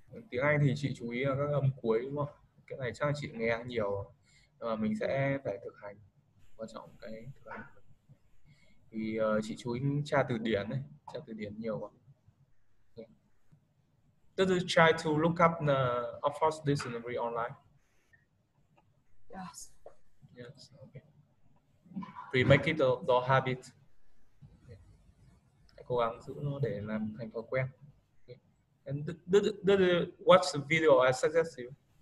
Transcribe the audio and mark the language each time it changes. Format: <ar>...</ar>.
<vi>Tiếng Anh thì chị chú ý là các âm cuối đúng không? Cái này chắc là chị nghe nhiều, nhưng mà mình sẽ phải thực hành, quan trọng cái thực hành. Thì chị chú ý tra từ điển ấy, tra từ điển nhiều quá.</vi> <en>Okay. Did you try to look up the Oxford Dictionary online? Yes. Yes. Okay. We make it the habit. Okay.</en> <vi>Cố gắng giữ nó để làm thành thói quen.</vi> <en>And did watch the video I suggest you?</en>